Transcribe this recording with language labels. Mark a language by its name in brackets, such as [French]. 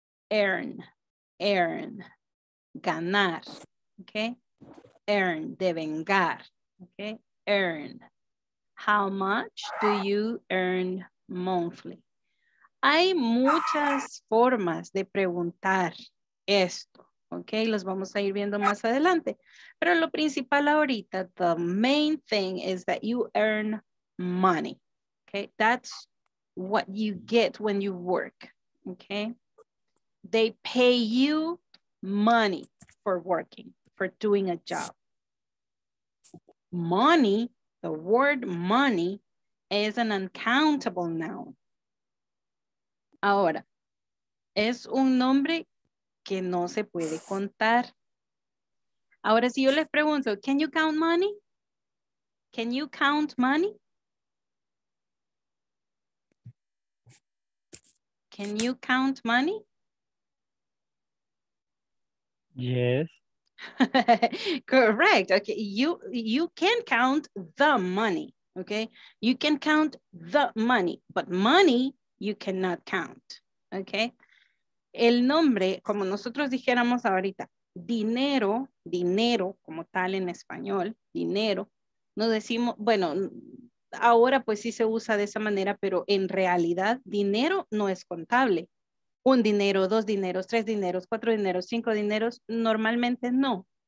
[English] Earn, earn, ganar, okay? Earn, devengar, okay? Earn. How much do you earn monthly? [Spanish] Hay muchas formas de preguntar esto. Okay, los vamos a ir viendo más adelante. Pero lo principal ahorita, [English] the main thing is that you earn money. Okay, that's what you get when you work. Okay, they pay you money for working, for doing a job. Money, the word money, is an uncountable noun. [Spanish] Ahora, es un nombre que no se puede contar. Ahora, si yo les pregunto, [English] can you count money? Can you count money? Can you count money? Yes. Correct. Okay, you can count the money, okay? You can count the money, but money you cannot count, okay? [Spanish] El nombre, como nosotros dijéramos ahorita, dinero, dinero como tal en español, dinero, no decimos, bueno, ahora pues sí se usa de esa manera, pero en realidad dinero no es contable. Un dinero, dos dineros, tres dineros, cuatro dineros, cinco dineros, normalmente no.